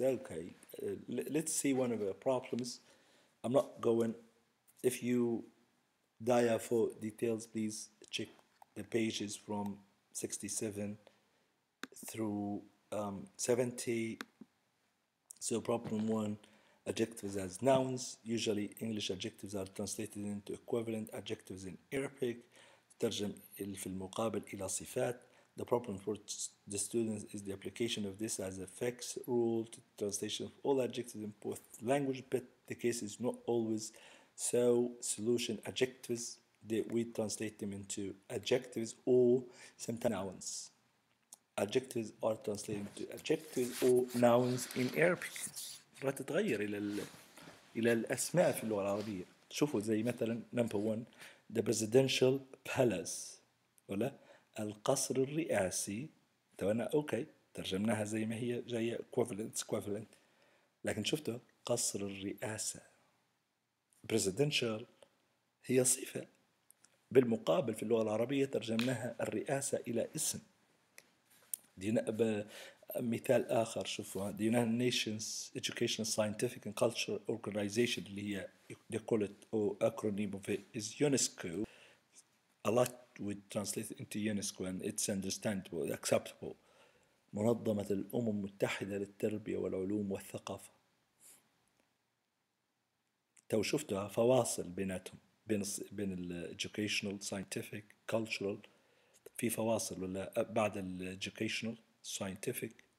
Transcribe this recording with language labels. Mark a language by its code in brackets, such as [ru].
[en] Okay, let's see one of the problems. I'm not going, if you dive for details, please check the pages from 67 through 70. So problem one, adjectives as nouns. Usually English adjectives are translated into equivalent adjectives in Arabic. [ar] ترجم في المقابل إلى صفات. [en] The problem for the students is the application of this as a fixed rule to translation of all adjectives in both languages, but the case is not always so. Solution, adjectives, that we translate them into adjectives or sometimes nouns. Adjectives are translated into adjectives or nouns in Arabic. [ar] راح تتغير إلى الأسماء في اللغة العربية. شوفوا زي مثلا [en] number one, the presidential palace, [ar] ولا القصر الرئاسي. تبعنا أوكي ترجمناها زي ما هي جاية equivalent. لكن شفتوا قصر الرئاسة. Presidential هي صفة. بالمقابل في اللغة العربية ترجمناها الرئاسة إلى اسم. دينا مثال آخر شوفوا [en] the United Nations Educational Scientific and Cultural Organization [ar] اللي هي [en] they call it or acronym of it is UNESCO. A lot would translate into UNESCO and it's understandable, acceptable. [ar] منظمة الأمم المتحدة للتربية والعلوم والثقافة. تو شفتها فواصل بيناتهم بين ال educational, scientific, cultural. في فواصل ولا بعد ال educational, scientific.